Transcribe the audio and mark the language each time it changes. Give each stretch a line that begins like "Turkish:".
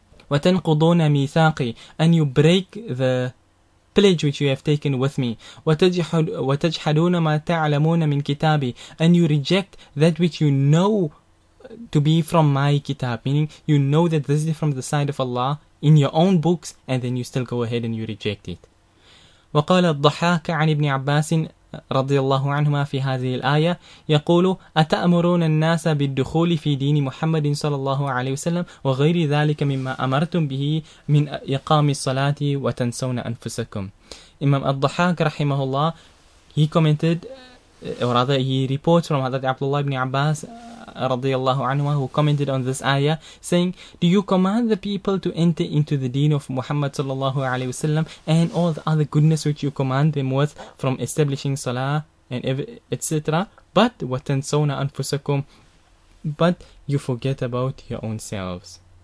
Arabic: وَتَنْقُضُونَ مِيثَاقِي,
English: and you break the pledge which you have taken with me.
Arabic: وَتَجْحَدُونَ مَا تَعْلَمُونَ مِنْ كِتَابِي,
English: and you reject that which you know to be from my kitab, meaning you know that this is from the side of Allah in your own books, and then you still go ahead and you reject it.
Arabic: وقال الضحاك عن ابن عباس رضي الله عنهما في هذه الآية يقول أتأمرون الناس بالدخول في دين محمد صلى الله عليه وسلم وغير ذلك مما أمرتم به من إقام الصلاة وتنسون أنفسكم.
English: Imam al-Dhahak rahimahullah, he commented, or rather he reports from Hazrat Abdullah ibn Abbas radiyallahu anhu, who commented on this ayah saying, do you command the people to enter into the deen of Muhammad sallallahu alayhi wasallam and all the other goodness which you command them with, from establishing salah and etc., but watansawna anfusakum, but you forget about your own selves?